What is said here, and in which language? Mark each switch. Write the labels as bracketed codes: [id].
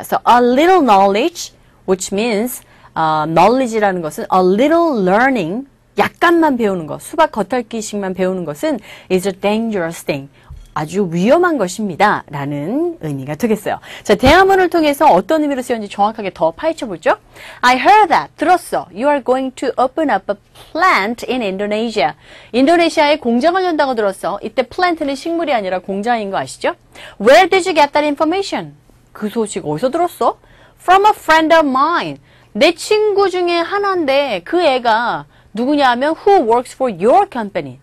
[en] So, a little knowledge, which means, knowledge라는 것은 a little learning. [ko] 약간만 배우는 것, 수박 겉핥기식만 배우는 것은 [en] is a dangerous thing. [ko] 아주 위험한 것입니다. 라는 의미가 되겠어요. 자, 대화문을 통해서 어떤 의미로 쓰였는지 정확하게 더 파헤쳐 보죠. [en] I heard that. 들었어. You are going to open up a plant in Indonesia. [ko] 인도네시아에 공장을 연다고 들었어. 이때 plant는 식물이 아니라 공장인 거 아시죠? [en] Where did you get that information? [ko] 그 소식 어디서 들었어? [en] From a friend of mine. [ko] 내 친구 중에 하나인데 그 애가 누구냐 하면 [en] who works for your company?